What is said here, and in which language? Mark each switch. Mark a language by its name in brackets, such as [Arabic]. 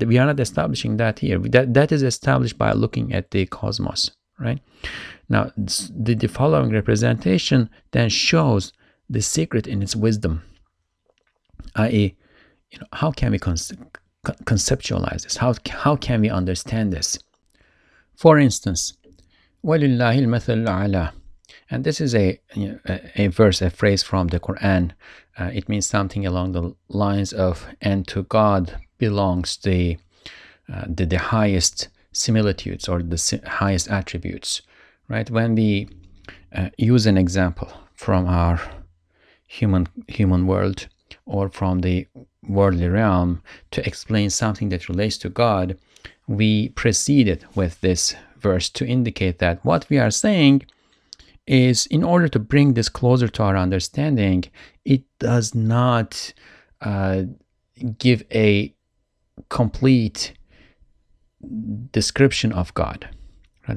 [English] We are not establishing that here. That is established by looking at the cosmos, right? Now, the following representation then shows the secret in its wisdom, i.e., you know, how can we conceptualize this? How can we understand this? For instance, [Arabic] وَلِلَّهِ الْمَثَلُ الْعَلَىٰ. [English] And this is a phrase from the Quran. It means something along the lines of, and to God belongs the highest similitudes or the highest attributes, right? When we use an example from our human world or from the worldly realm to explain something that relates to God, we proceed it with this verse to indicate that what we are saying is, in order to bring this closer to our understanding, it does not give a complete description of God. Right?